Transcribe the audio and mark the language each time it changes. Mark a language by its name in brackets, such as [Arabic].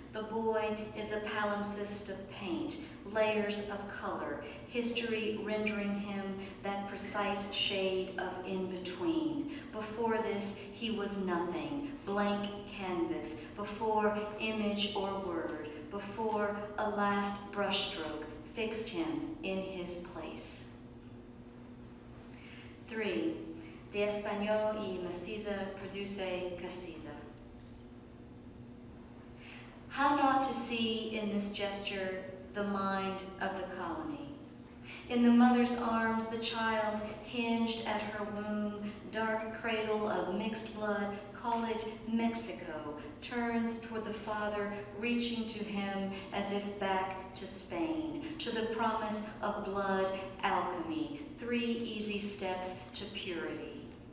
[English] The boy is a palimpsest of paint, layers of color, history rendering him that precise shade of in-between. Before this, he was nothing, blank canvas, before image or word, before a last brushstroke fixed him in his place. 3. [Spanish] De español y mestiza produce castiza. [English] How not to see in this gesture the mind of the colony? In the mother's arms, the child, hinged at her womb, dark cradle of mixed blood, call it Mexico, turns toward the father, reaching to him as if back to Spain, to the promise of blood alchemy, three easy steps to purity.